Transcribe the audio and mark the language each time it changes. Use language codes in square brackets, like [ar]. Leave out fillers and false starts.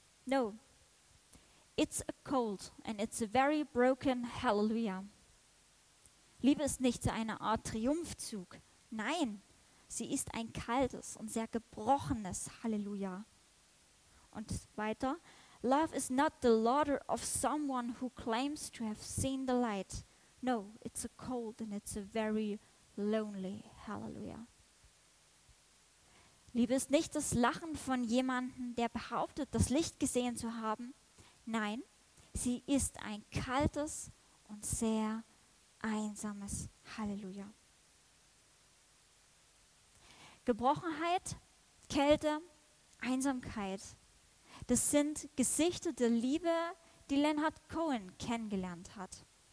[en] No, it's a cold and it's a very broken hallelujah. [de] Liebe ist nicht so eine Art Triumphzug. Nein, sie ist ein kaltes und sehr gebrochenes Halleluja. Und weiter: [en] Love is not the laughter of someone who claims to have seen the light. No, it's a cold and it's a very lonely hallelujah. [de] Liebe ist nicht das Lachen von jemandem, der behauptet, das Licht gesehen zu haben. Nein, sie ist ein kaltes und sehr einsames Halleluja. Gebrochenheit, Kälte, Einsamkeit, das sind Gesichter der Liebe, die Leonard Cohen kennengelernt hat.